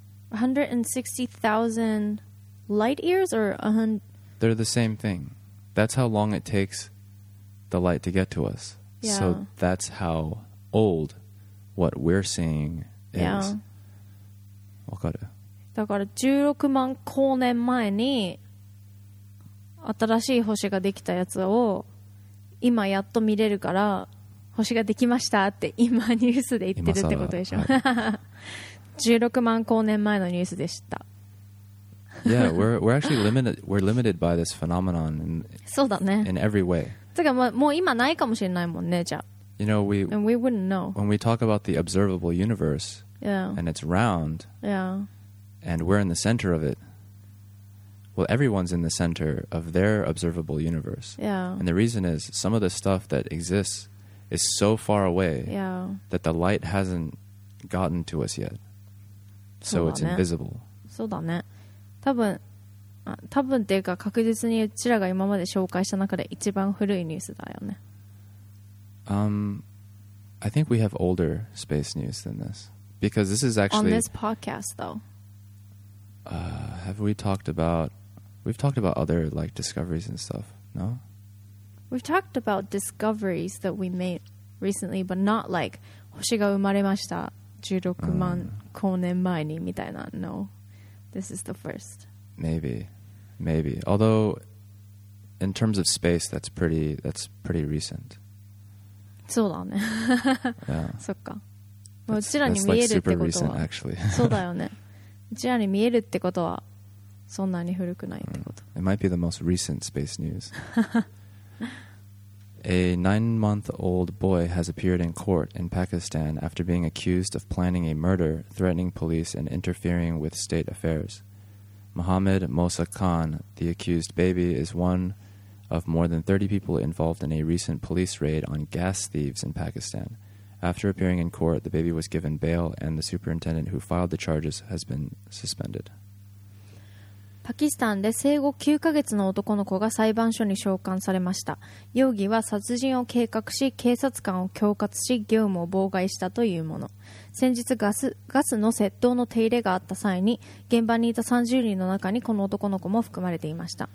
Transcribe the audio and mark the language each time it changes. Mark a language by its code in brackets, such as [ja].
[en] 160,000 light years or 100? They're the same thing. That's how long it takes the light to get to us. Yeah. So that's how old what we're seeing is. Yeah. [ja] わかる。だから16万光年前に新しい星ができたやつを今やっと見れるから星ができましたって今ニュースで言ってるってことでしょ。 16万光年前のニュースでした。 [en] Yeah, we're actually limited. We're limited by this phenomenon. [ja] そうだね。 [en] In every way. [ja] てかもう今ないかもしれないもんねじゃあ。 [en] You know we. And we wouldn't know. When we talk about the observable universe. Yeah. And it's round. Yeah. And we're in the center of it. Well, everyone's in the center of their observable universe. Yeah. And the reason is some of the stuff that exists is so far away. Yeah. That the light hasn't gotten to us yet. So it's invisible. [ja] そうだね。多分っていうか確実にうちらが今まで紹介した中で一番古いニュースだよね。 [en] I think we have older space news than this. Because this is actually... On this podcast, though. Have we talked about... We've talked about other, like, discoveries and stuff, no? We've talked about discoveries that we made recently, but not like, [ja] 星が生まれました。 16万光年前にみたいな [en] No, this is the first. Maybe. Although, in terms of space, that's pretty recent. [ja] そうだね。 [en] Yeah. [ja] そっか。もううちらに見えるってことは。 [en] That's like super recent, actually. [ja] そうだよね。うちらに見えるってことはそんなに古くないってこと。 [en] It might be the most recent space news. A 9-month-old boy has appeared in court in Pakistan after being accused of planning a murder, threatening police, and interfering with state affairs. Mohammed Mosa Khan, the accused baby, is one of more than 30 people involved in a recent police raid on gas thieves in Pakistan. After appearing in court, the baby was given bail, and the superintendent who filed the charges has been suspended. [ja] パキスタンで生後9ヶ月の男の子が裁判所に召喚されました。容疑は殺人を計画し警察官を恐喝し業務を妨害したというもの。先日ガスの窃盗の手入れがあった際に現場にいた30人の中にこの男の子も含まれていました。